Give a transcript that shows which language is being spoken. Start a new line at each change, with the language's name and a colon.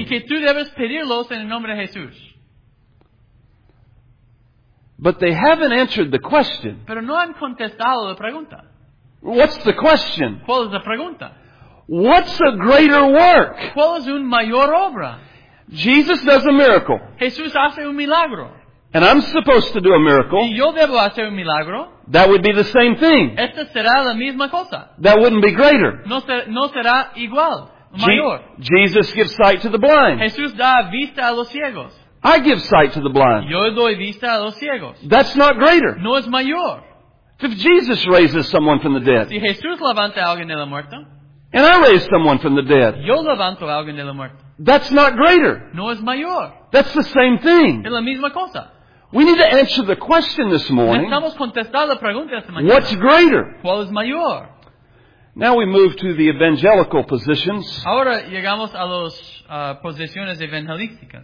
Spanish: Y que tú debes pedirlos en el nombre de Jesús.
English: But they haven't answered the question.
Spanish: Pero no han contestado la pregunta.
English: What's the question?
Spanish: ¿Cuál es la pregunta?
English: What's a greater work?
Spanish: ¿Cuál es una mayor obra?
English: Jesus does a miracle.
Spanish: Jesús hace un milagro.
English: And I'm supposed to do a miracle.
Spanish: ¿Y yo debo hacer un milagro?
English: That would be the same thing.
Spanish: Esta será la misma cosa.
English: That wouldn't be greater.
Spanish: No será igual, mayor.
English: Jesus gives sight to the blind.
Spanish: Jesús da vista a los ciegos.
English: I give sight to the blind.
Spanish: Yo doy vista a los ciegos.
English: That's not greater.
Spanish: No es mayor.
English: If Jesus raises someone from the dead.
Spanish: Si Jesús levanta a alguien de la muerte.
English: And I raise someone from the dead.
Spanish: Yo levanto a alguien de la muerte.
English: That's not greater.
Spanish: No es mayor.
English: That's the same thing.
Spanish: Es la misma cosa.
English: We need to answer the question this morning.
Spanish: Necesitamos contestar la pregunta esta mañana.
English: What's greater?
Spanish: ¿Cuál es mayor?
English: Now we move to the evangelical positions.
Spanish: Ahora llegamos a las posiciones evangelísticas.